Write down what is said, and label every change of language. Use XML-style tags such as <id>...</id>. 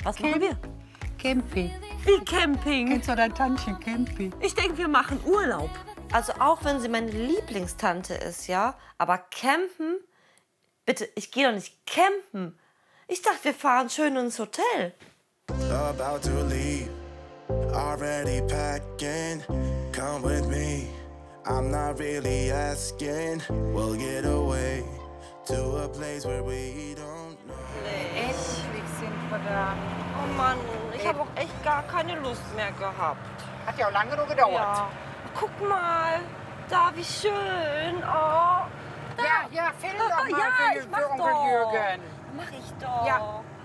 <de>Was machen wir? Camping. Wie Camping? Kennst du dein Tantchen Camping? Ich denke, wir machen Urlaub. Also auch wenn sie meine Lieblingstante ist, ja? Aber campen? Bitte, ich gehe doch nicht campen. Ich dachte, wir fahren schön ins Hotel.</de> <en>About to leave, already packing. Come with me, I'm not really asking. We'll get away to a place where we don't know.</en> <de>Echt, schwierig sind wir da. Oh Mann, ich habe auch echt gar keine Lust mehr gehabt. Hat ja auch lange genug gedauert. Ja. Guck mal, Da, wie schön. Oh. Da. Ja, ja, film doch mal ja, für, ich mach für Onkel doch. Jürgen. Mach ich doch. Ja.</de>